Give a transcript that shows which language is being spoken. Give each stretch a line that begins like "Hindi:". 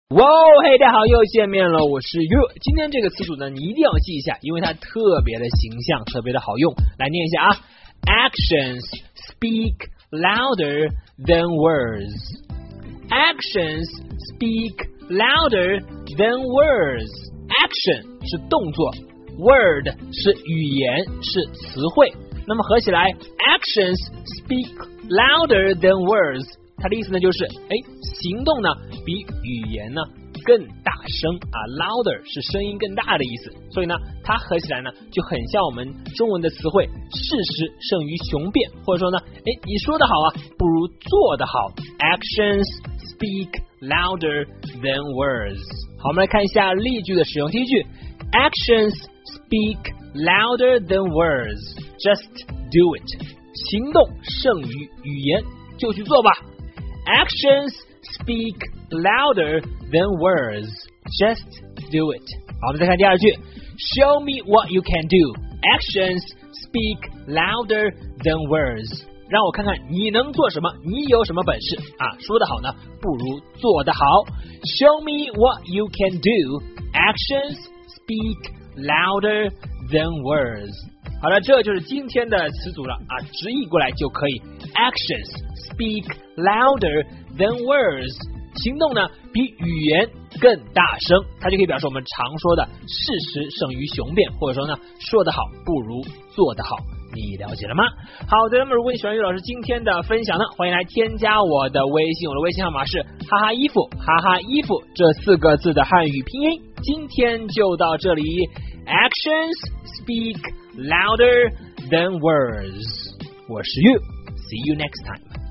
Chinese: 哇哦，嘿，大家好，又见面了，我是月。今天这个词组呢，你一定要记一下，因为它特别的形象，特别的好用。来念一下啊
English: ，Actions speak louder than words. Actions speak louder than words.
Chinese: Action 是动作 ，word 是语言，是词汇。那么合起来
English: ，Actions speak louder than words.
Chinese: 它的意思呢就是行动呢比语言呢更大声啊 ,louder 是声音更大的意思，所以呢它合起来呢就很像我们中文的词汇事实胜于雄辩，或者说呢你说的好啊不如做的好 ,
English: actions speak louder than words。
Chinese: 好，我们来看一下例句的使用。
English: 第一句 ,actions speak louder than words,just do it,
Chinese: 行动胜于语言就去做吧。
English: Actions speak louder than words. Just do it.
Chinese: 好，我们再看第二句。
English: Show me what you can do. Actions speak louder than words.
Chinese: 让我看看你能做什么，你有什么本事啊？说得好呢，不如做得好。
English: Show me what you can do. Actions speak louder than words.
Chinese: 好了，这就是今天的词组了啊，直译过来就可以。
English: Actions. Speak louder than words.
Chinese: 行动呢比语言更大声，它就可以表示我们常说的事实胜于雄辩，或者说呢说得好不如做得好。你了解了吗？好的，那么如果你喜欢岳老师今天的分享呢，欢迎来添加我的微信，我的微信号码是哈哈衣服，哈哈衣服这四个字的汉语拼音。今天就到这里，
English: Actions speak louder than words.
Chinese: 我是岳，
English: See you next time.